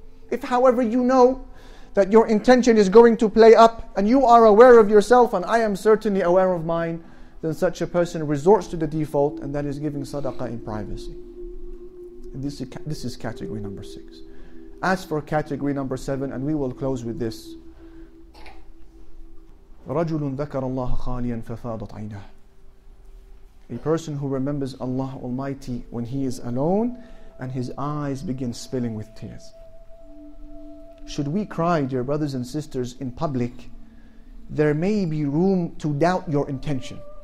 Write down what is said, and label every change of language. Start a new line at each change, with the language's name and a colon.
English: If, however, you know that your intention is going to play up and you are aware of yourself, and I am certainly aware of mine, then such a person resorts to the default, and that is giving sadaqah in privacy. And this is category number six. As for category number seven, and we will close with this.
Arabic: رجل ذكر الله خاليا ففاضت عيناه.
English: A person who remembers Allah Almighty when he is alone and his eyes begin spilling with tears. Should we cry, dear brothers and sisters, in public, there may be room to doubt your intention.